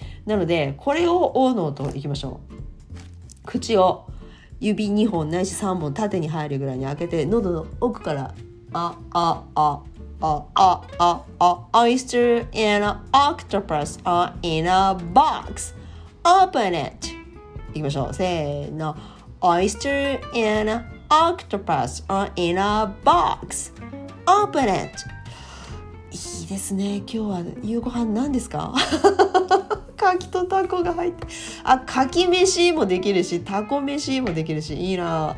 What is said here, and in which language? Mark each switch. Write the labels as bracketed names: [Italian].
[Japanese] なのでこれを O の音いきましょう。口を指2本ないし3本縦に入るぐらいに開けて、喉の奥からあああ [English] Oyster and an octopus are in a box. Open it. [Japanese] 行きましょう。せーの。 [English] Oyster and an octopus are in a box. Open it. [Japanese] いいですね。今日は夕ご飯何ですか？柿とタコが入って。あ、柿飯もできるし、タコ飯もできるし、いいな。